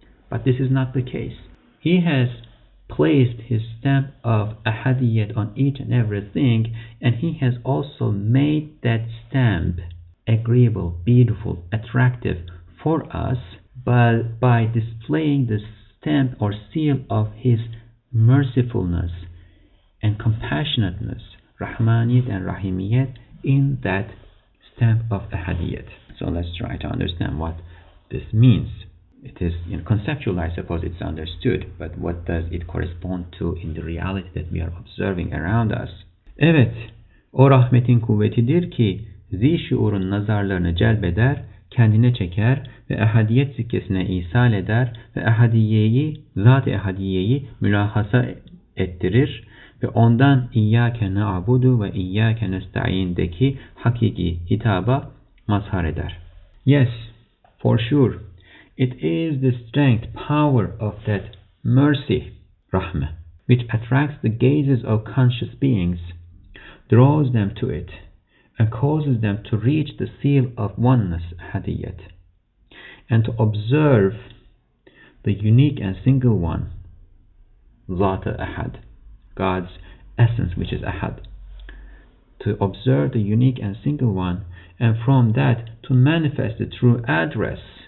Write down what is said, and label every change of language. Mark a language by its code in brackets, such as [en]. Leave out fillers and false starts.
[en] But this is not the case. He has placed His stamp of ahadiyat on each and everything, and He has also made that stamp agreeable, beautiful, attractive for us, but by displaying the stamp or seal of His mercifulness and compassionateness, rahmaniyat and rahimiyat, in that stamp of ahadiyat. So let's try to understand what this means. It is conceptual, I suppose it's understood, but what does it correspond to in the reality that we are observing around us? [tr] Evet, o rahmetin kuvvetidir ki zişuurun nazarlarını celbeder, kendine çeker ve ehadiyet zikresine isal eder ve ehadiyeyi, zat-ı ehadiyeyi mülahasa ettirir ve ondan [ar] İyyâke na'budu ve İyyâke nesta'in'deki [tr] hakiki hitaba mazhar eder. [en] Yes, for sure. It is the strength, power of that mercy, rahme, which attracts the gazes of conscious beings, draws them to it, and causes them to reach the seal of oneness, hadiyat, and to observe the unique and single one, zat-ı ahad, God's essence, which is ahad, to observe the unique and single one, and from that to manifest the true address,